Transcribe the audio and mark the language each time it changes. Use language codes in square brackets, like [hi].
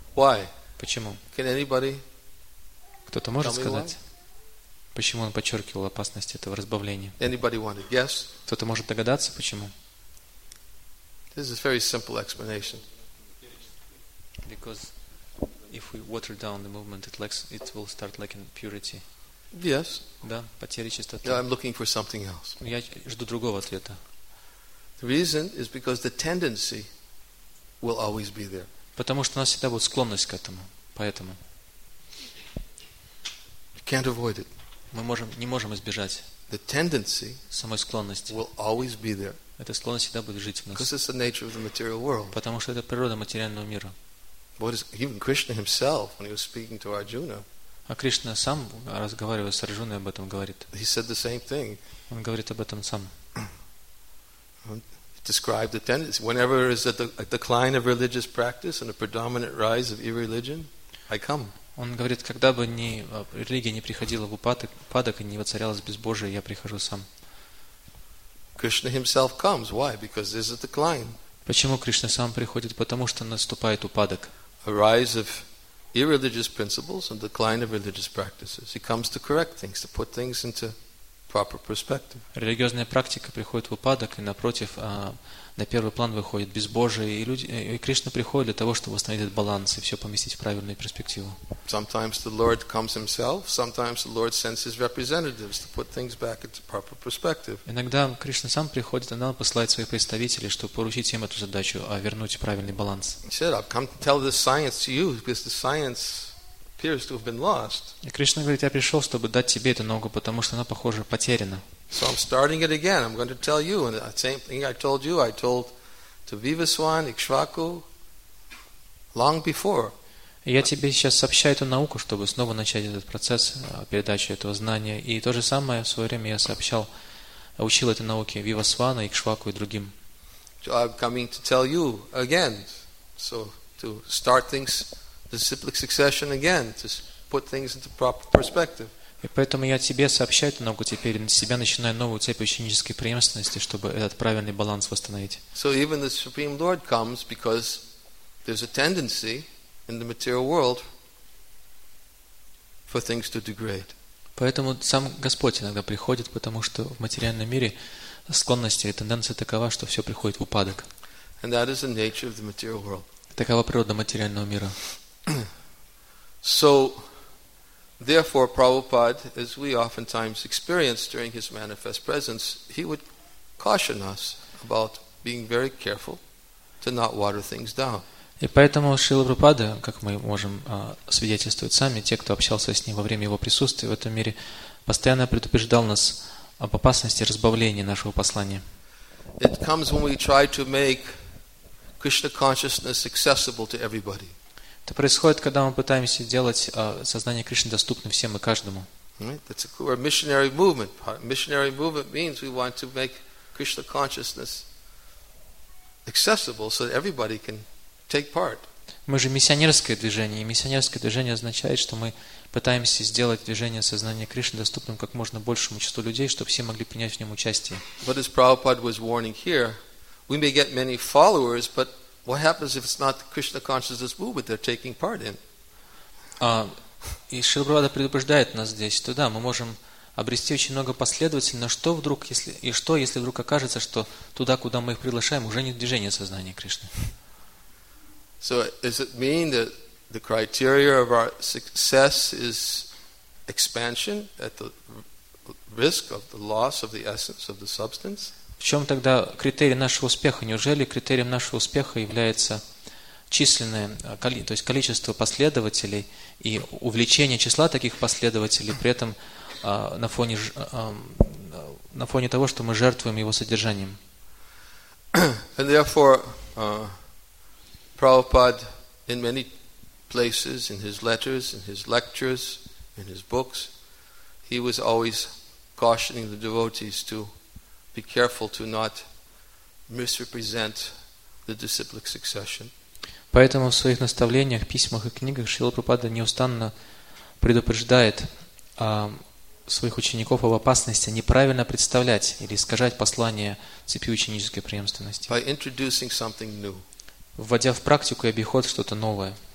[en] Why? [ru] Почему? [en] Can anybody? [ru] Кто-то может сказать, почему он подчеркивал опасность этого разбавления? [en] Anybody want to guess? [ru] Кто-то может догадаться, почему? [en] This is a very simple explanation. Because if we water down the movement, it will start lacking purity. Yes. [ru] Да, потеря чистоты. [en] Yeah, I'm looking for something else. [ru] Я жду другого ответа. [en] The reason is because the tendency will always be there. [ru] Потому что у нас всегда будет склонность к этому, поэтому. [en] You can't avoid it. [ru] Мы не можем избежать. [en] The tendency [ru] самой склонности [en] will always be there. [ru] Эта склонность всегда будет жить в нас. [en] Because it's the nature of the material world. [ru] Потому что это природа материального мира. [en] What is even Krishna himself when he was speaking to Arjuna? [ru] А Кришна сам разговаривая с Арджуной об этом говорит. [en] He said the same thing. [ru] Он говорит об этом сам. [en] Describe the tendency. Whenever is a decline of religious practice and a predominant rise of irreligion, I come. [ru] Он говорит, когда бы ни религия не приходила в упадок и не воцарялась безбожие, я прихожу сам. [en] Krishna himself comes. Why? Because there's a decline. [ru] Почему Кришна сам приходит? Потому что наступает упадок. [en] A rise of irreligious principles and decline of religious practices. He comes to correct things, to put things into proper perspective. [ru] Религиозная практика приходит в упадок, и напротив, на первый план выходит безбожие, и люди, и Кришна приходит для того, чтобы восстановить этот баланс и все поместить в правильную перспективу. [en] Sometimes the Lord comes himself, sometimes the Lord sends his representatives to put things back into proper perspective. [ru] Иногда Кришна сам приходит, иногда он посылает своих представителей, чтобы поручить им эту задачу, а вернуть правильный баланс. [en] He said, I've come to tell this science to you, because the science appears to have been lost. [ru] И Кришна говорит, я пришел, чтобы дать тебе эту ногу, потому что она, похоже, потеряна. [en] So I'm starting it again. I'm going to tell you, and the same thing I told you, I told to Vivaswan, Ikshvaku, long before. [ru] Я тебе сейчас сообщаю эту науку, чтобы снова начать этот процесс передачи этого знания. И то же самое в свое время я сообщал, учил этой науке Вивасвана, Икшваку и другим. [en] So I'm coming to tell you again, so to start things, the cyclic succession again, to put things into proper perspective. [ru] И поэтому я тебе сообщаю эту науку теперь, на себя начинаю новую цепь ученической преемственности, чтобы этот правильный баланс восстановить. [en] So even the Supreme Lord comes because there's a tendency in the material world for things to degrade. [ru] Поэтому сам Господь иногда приходит, потому что в материальном мире склонности и тенденция такова, что все приходит в упадок. [en] And that is the nature of the material world. [ru] Такова природа материального мира. [en] So therefore, Prabhupada, as we oftentimes experience during his manifest presence, he would caution us about being very careful to not water things down. [ru] И поэтому Шрила Прабхупада, как мы можем свидетельствовать сами, те, кто общался с ним во время его присутствия в этом мире, постоянно предупреждал нас об опасности разбавления нашего послания. [en] It comes when we try to make Krishna consciousness accessible to everybody. [ru] Это происходит, когда мы пытаемся делать сознание Кришны доступным всем и каждому. [en] That's a core missionary movement. Missionary movement means we want to make Krishna consciousness accessible so that everybody can take part. [ru] Мы же миссионерское движение, и миссионерское движение означает, что мы пытаемся сделать движение сознания Кришны доступным как можно большему числу людей, чтобы все могли принять в нем участие. [en] But as Prabhupada was warning here, we may get many followers, but what happens if it's not the Krishna consciousness movement they're taking part in? [ru] И Шрила Прабхупада предупреждает нас здесь, что да, мы можем обрести очень много последователей, но что вдруг, если, и что, если вдруг окажется, что туда, куда мы их приглашаем, уже нет движения сознания Кришны? [en] So does it mean that the criteria of our success is expansion at the risk of the loss of the essence of the substance? [ru] В чем тогда критерий нашего успеха? Неужели критерием нашего успеха является численное, то есть количество последователей и увеличение числа таких последователей, при этом на фоне того, что мы жертвуем его содержанием? [en] And therefore, Prabhupada in many places, in his letters, in his lectures, in his books, he was always cautioning the devotees to be careful to not misrepresent the disciplic succession. [ru] Поэтому в своих наставлениях, письмах и книгах Шрила Прабхупада неустанно предупреждает своих учеников об опасности неправильно представлять или искажать послание цепи ученической преемственности. [en] By introducing something new. [ru] Вводя в практику и обиход что-то новое.